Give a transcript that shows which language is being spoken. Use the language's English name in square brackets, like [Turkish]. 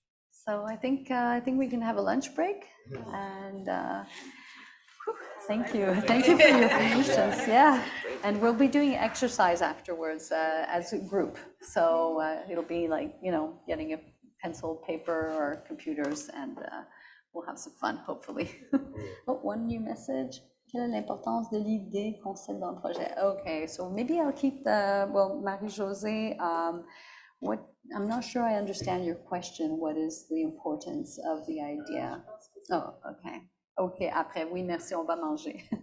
[English] So I think we can have a lunch break. And thank you for your patience. Yeah, and we'll be doing exercise afterwards as a group, so it'll be like, you know, getting a pencil, paper, or computers, and we'll have some fun, hopefully. Oh, one new message. [French] Quelle est l'importance de l'idée qu'on cède dans le projet? [English] Okay, so maybe I'll keep the, well, Marie-Josée, what, I'm not sure I understand your question. What is the importance of the idea? Oh, okay. [French] OK, après, oui, merci, on va manger.